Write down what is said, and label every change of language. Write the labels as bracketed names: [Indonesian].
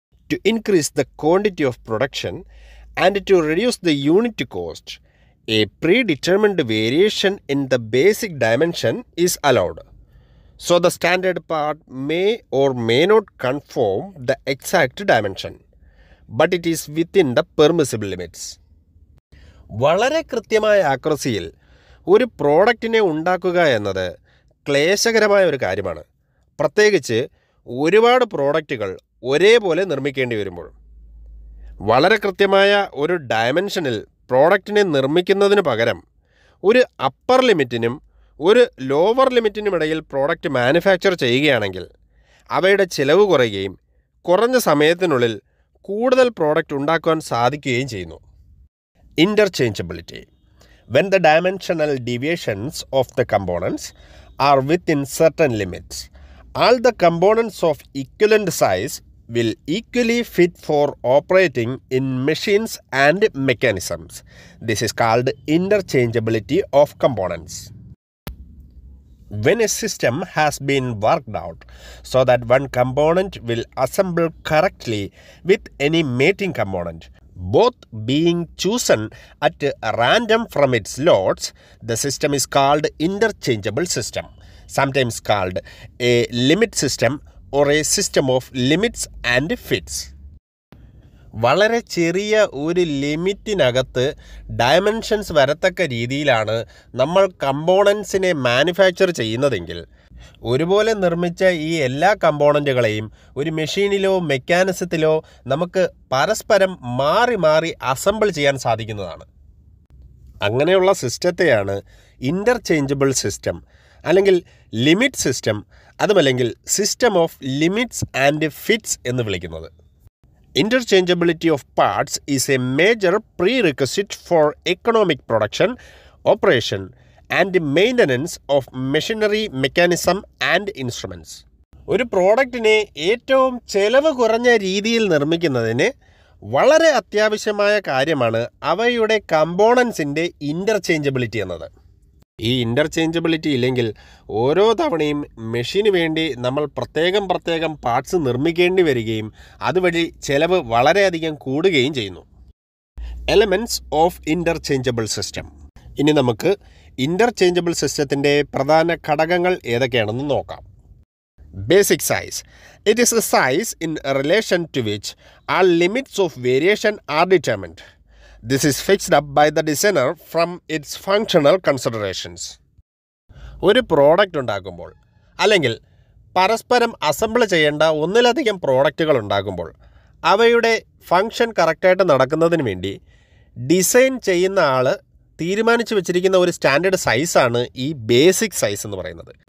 [English] To increase the quantity of production and to reduce the unit cost, a predetermined variation in the basic dimension is allowed. So the standard part may or may not conform the exact dimension, but it is within the permissible limits. [Malayalam] വളരെ കൃത്യമായ ആക്രസിയിൽ ഒരു പ്രോഡക്റ്റിനെ ഉണ്ടാക്കുക എന്നത് ക്ലേശകരമായ ഒരു കാര്യമാണ്. പ്രത്യേകിച്ച് ഒരുപാട് പ്രോഡക്റ്റുകൾ ഒരേപോലെ നിർമ്മിക്കേണ്ടി വരുമ്പോൾ. വളരെ കൃത്യമായ ഒരു ഡയമെൻഷനിൽ പ്രോഡക്റ്റിനെ നിർമ്മിക്കുന്നതിന് പകരം ഒരു അപ്പർ ലിമിറ്റിനും ഒരു ലോവർ ലിമിറ്റിനുമിടയിൽ പ്രോഡക്റ്റ് മാനുഫാക്ചർ ചെയ്യുകയാണെങ്കിൽ അവയുടെ ചിലവ് കുറയുകയും കുറഞ്ഞ സമയത്തിനുള്ളിൽ കൂടുതൽ പ്രോഡക്റ്റ് ഉണ്ടാക്കുവാൻ സാധിക്കുകയും ചെയ്യുന്നു. [English] Interchangeability. When the dimensional deviations of the components are within certain limits, all the components of equivalent size will equally fit for operating in machines and mechanisms. This is called interchangeability of components. When a system has been worked out so that one component will assemble correctly with any mating component, both being chosen at random from its lots, the system is called interchangeable system, sometimes called a limit system or a system of limits and fits. [Malayalam] വളരെ ചെറിയ ഒരു ലിമിറ്റിനകത്ത് dimensions വരത്തക്ക രീതിയിലാണ് നമ്മൾ കമ്പോണൻസിനെ manufacture ചെയ്യുന്നതെങ്കിൽ, ഒരുപോലെ നിർമ്മിച്ച ഈ എല്ലാ കമ്പോണൻ്റുകളെയും ഒരു മെഷീനിലോ മെക്കാനിസത്തിലോ നമുക്ക് പരസ്പരം മാറി മാറി അസംബിൾ ചെയ്യാൻ സാധിക്കുന്നതാണ്. അങ്ങനെയുള്ള സിസ്റ്റത്തെയാണ് ഇൻ്റർചേഞ്ചബിൾ സിസ്റ്റം, അല്ലെങ്കിൽ ലിമിറ്റ് സിസ്റ്റം, അതുമല്ലെങ്കിൽ system of limits and fits എന്ന് വിളിക്കുന്നത്. [English] Interchangeability of parts is a major prerequisite for economic production, operation, and maintenance of machinery, mechanism, and instruments. [Malayalam] ഒരു പ്രോഡക്റ്റിനെ ഏറ്റവും ചെലവ് കുറഞ്ഞ രീതിയിൽ നിർമ്മിക്കുന്നതിന് വളരെ അത്യാവശ്യമായ കാര്യമാണ് അവയുടെ കമ്പോണൻസിൻ്റെ ഇൻ്റർചേഞ്ചബിലിറ്റി എന്നത്. ഈ ഇൻ്റർചേഞ്ചബിലിറ്റി ഇല്ലെങ്കിൽ ഓരോ തവണയും മെഷീന് വേണ്ടി നമ്മൾ പ്രത്യേകം പ്രത്യേകം പാർട്സ് നിർമ്മിക്കേണ്ടി വരികയും അതുവഴി ചെലവ് വളരെയധികം കൂടുകയും ചെയ്യുന്നു. [English] Elements of interchangeable system. [Malayalam] ഇനി നമുക്ക് ഇൻ്റർചേഞ്ചബിൾ സിസ്റ്റത്തിൻ്റെ പ്രധാന ഘടകങ്ങൾ ഏതൊക്കെയാണെന്ന് നോക്കാം. Basic size. [English] It is a size in relation to which a limits of variation are determined. This is fixed up by the designer from its functional considerations. [Malayalam] ഒരു product ഉണ്ടാക്കുമ്പോൾ, അല്ലെങ്കിൽ പരസ്പരം അസംബിൾ ചെയ്യേണ്ട ഒന്നിലധികം പ്രോഡക്റ്റുകൾ ഉണ്ടാകുമ്പോൾ അവയുടെ ഫംഗ്ഷൻ കറക്റ്റായിട്ട് നടക്കുന്നതിന് വേണ്ടി ഡിസൈൻ ചെയ്യുന്ന ആൾ തീരുമാനിച്ചു വെച്ചിരിക്കുന്ന ഒരു സ്റ്റാൻഡേർഡ് സൈസാണ് ഈ ബേസിക് സൈസ് എന്ന് പറയുന്നത്.